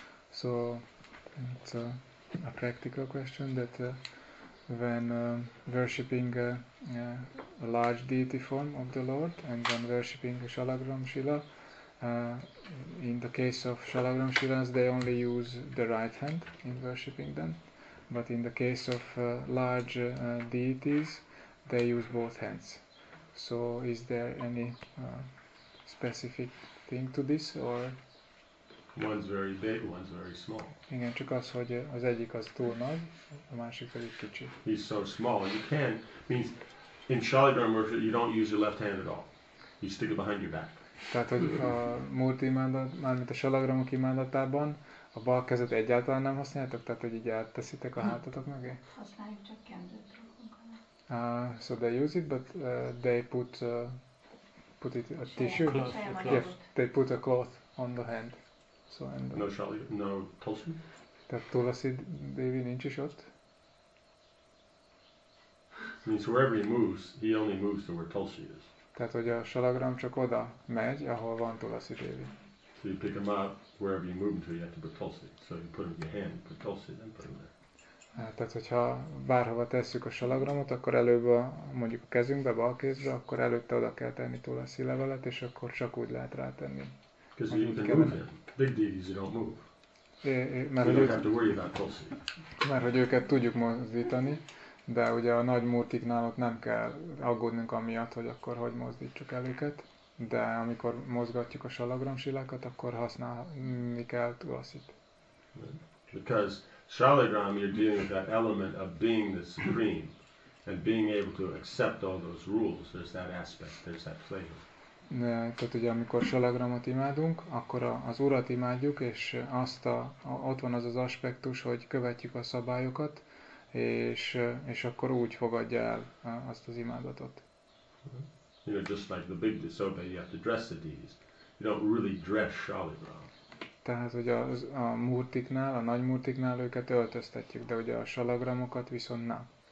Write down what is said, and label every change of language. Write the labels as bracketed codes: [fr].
[en] So it's a practical question that when worshipping a large deity form of the Lord and when worshipping a Shalagram Shila, in the case of Shalagram Shilas they only use the right hand in worshipping them, but in the case of large deities they use both hands. So is there any specific thing to this or? One's very big, one's very small. [hu] Igen, csak az, hogy az egyik az túl nagy, a másik pedig kicsi. [en] He's so small, you can't, means in Shaligram worship you don't use your left hand at all. You stick it behind your back. [hu] Tehát, hogy a murti imádat, mármint a Shalagramok imádatában, a bal kezet egyáltalán nem használjátok? Tehát, hogy így átteszitek a hátatok mögé? Használjuk, csak kendőt rakunk alá. [en] So they use it, but they put it a tissue? Cloth. They put a cloth on the hand. So and no Shali, no Tulsi? [hu] Tehát Tulsi Devi nincs is ott. [en] Means wherever he moves, he only moves to where Tulsi is. [hu] Tehát, hogy a Shalagram csak oda megy, ahol van Tulsi Devi. [en] So you pick him up, wherever you move him to, you have to put Tulsi. So you put him in your hand, put Tulsi, then put him there. [hu] Tehát, hogyha bárhova tesszük a Shalagramot, akkor előbb a, mondjuk a kezünkbe, bal kézbe, akkor előtte oda kell tenni Tulsi levelet, és akkor csak úgy lehet rátenni. [en] Because you can move him. Big deities, you don't move. We don't have to worry about Tulsi. [hu] Mert hogy őket tudjuk mozdítani, de ugye a nagy murtiknál ott nem kell aggódnunk amiatt, hogy akkor hogy mozdítsuk el őket, de amikor mozgatjuk a Shalagram silákat, akkor használni kell Tulsit. [en] Because Shalagram, you're dealing with that element of being the supreme and being able to accept all those rules. There's that aspect, there's that flavor. [hu] Tehát ugye amikor salagramot imádunk, akkor az Urat imádjuk, és azt ott van az az aspektus, hogy követjük a szabályokat, és akkor úgy fogadja el azt az imádatot. [en] You know, just like the big disobey, you have to dress the deities. You don't really dress shalagram. [hu] Tehát ugye a murtiknál, a nagy murtiknál őket öltöztetjük, de ugye a salagramokat viszont nem.